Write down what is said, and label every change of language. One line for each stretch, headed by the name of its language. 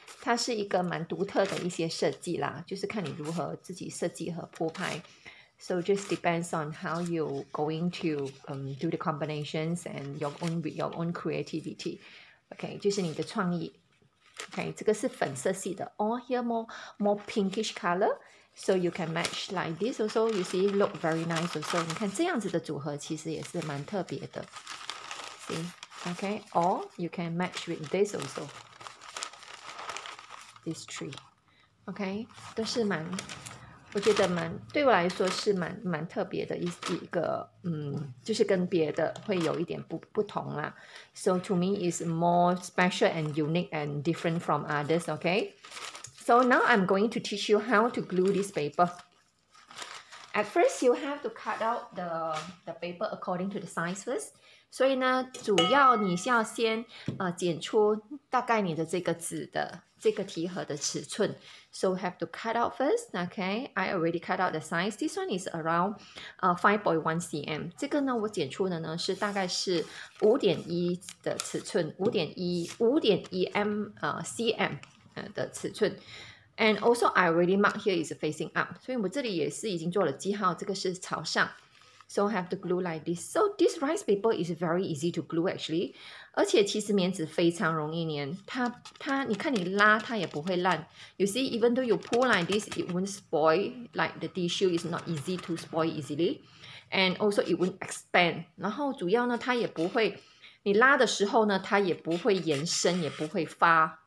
Chinese: 它是一个蛮独特的一些设计啦，就是看你如何自己设计和铺排。
English: So just depends on how you going to do the combinations and your own creativity.
Chinese: Okay, 就是你的创意。Okay, 这个是粉色系的。
English: Oh, here more pinkish color. So you can match like this also. You see, look very nice also.
Chinese: 你看这样子的组合其实也是蛮特别的。
English: See, okay, or you can match with this also. This tree,
Chinese: okay, 都是蛮，我觉得蛮，对我来说是蛮特别的一个，就是跟别的会有一点不同啦。
English: So to me is more special and unique and different from others. Okay, so now I'm going to teach you how to glue this paper. At first, you have to cut out the paper according to the size first.
Chinese: 所以呢，主要你是要先剪出大概你的这个纸的这个提盒的尺寸。
English: So have to cut out first, okay? I already cut out the size. This one is around 5.1 cm.
Chinese: 这个呢，我剪出的呢是大概是 5.1 的尺寸， 5.1 cm 的尺寸。
English: And also, I already mark here is facing up.
Chinese: 所以我这里也是已经做了记号，这个是朝上。
English: So have to glue like this. So this rice paper is very easy to glue actually.
Chinese: 而且其实棉纸非常容易粘。它你看你拉它也不会烂。
English: You see, even though you pull like this, it won't spoil. Like the tissue is not easy to spoil easily. And also it won't expand.
Chinese: 然后主要呢它也不会，你拉的时候呢它也不会延伸，也不会发。